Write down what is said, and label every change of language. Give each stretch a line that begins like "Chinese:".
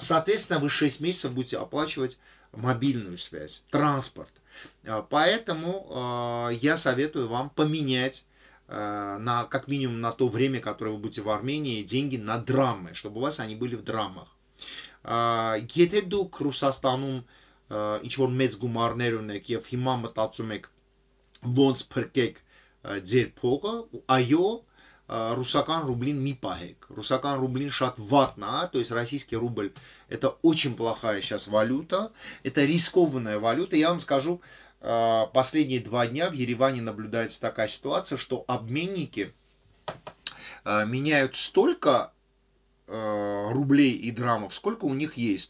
Russian: Соответственно, вы 6 месяцев будете оплачивать мобильную связь, транспорт. Поэтому я советую вам поменять на как минимум на то время, которое вы будете в Армении, деньги на драмы, чтобы у вас они были в драмах.
Armenian: Եթե դուք Ռուսաստանում ինչ-որ մեծ գումարներ ունեք եւ հիմա մտածում եք ոնց փրկեք ձեր փողը, այո, ռուսական ռուբլին մի պահեք. Ռուսական ռուբլին շատ վատն է,
Russian: то есть российский рубль это очень плохая сейчас валюта, это рискованная валюта. Я вам скажу, последние 2 дня в Ереване наблюдается такая ситуация, что обменники меняют столько рублей и драмов, сколько у них есть.